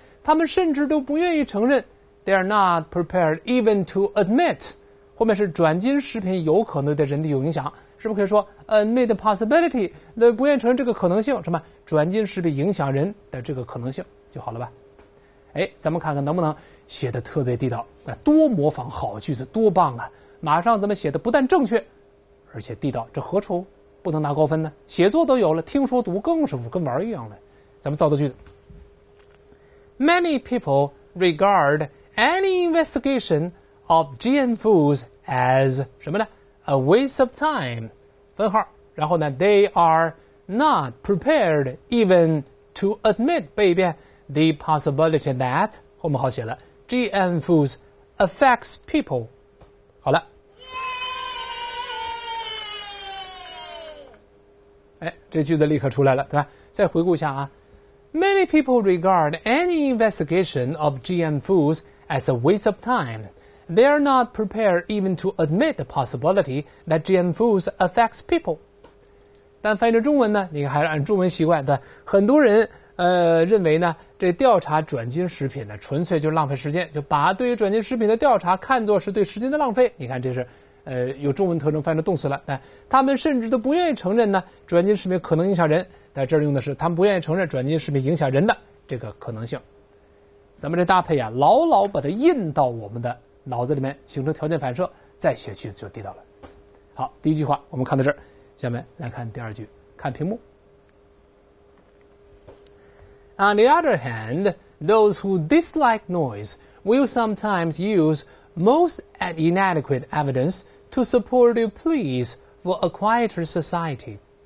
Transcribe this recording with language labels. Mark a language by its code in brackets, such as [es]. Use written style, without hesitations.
[zh] 他们甚至都不愿意承认 [en] they are not prepared even to admit， [zh] 后面是转基因食品有可能对人体有影响，是不是可以说 [en] admit the possibility， [zh] 那不愿意承认这个可能性，什么转基因食品影响人的这个可能性就好了吧。哎，咱们看看能不能写得特别地道，多模仿好句子，多棒啊，马上咱们写得不但正确而且地道，这何愁不能拿高分呢？写作都有了，听说读更是跟玩一样的。咱们造个句子。 [en] Many people regard any investigation of GM foods as [zh] 什么呢？ [en] A waste of time. [zh] 分号。然后呢， [en] they are not prepared even to admit [zh] 背一遍 [en] the possibility that [zh] 后面好写了 [en] GM foods affects people. [zh] 好了。哎，这句子立刻出来了，对吧？再回顾一下啊。 [en] Many people regard any investigation of GM foods as a waste of time. They are not prepared even to admit the possibility that GM foods affects people. [zh] 但翻译成中文呢，你还是按中文习惯的。很多人认为呢，这调查转基因食品呢，纯粹就浪费时间，就把对于转基因食品的调查看作是对时间的浪费。你看这是。有中文特征翻译成动词了，但他们甚至都不愿意承认呢，转基因食品可能影响人。在这儿用的是他们不愿意承认转基因食品影响人的这个可能性。咱们这搭配啊，牢牢把它印到我们的脑子里面，形成条件反射，再写句子就地道了。好，第一句话我们看到这儿，下面来看第二句，看屏幕。 [en] On the other hand, those who dislike noise will sometimes use most inadequate evidence to support your pleas for a quieter society.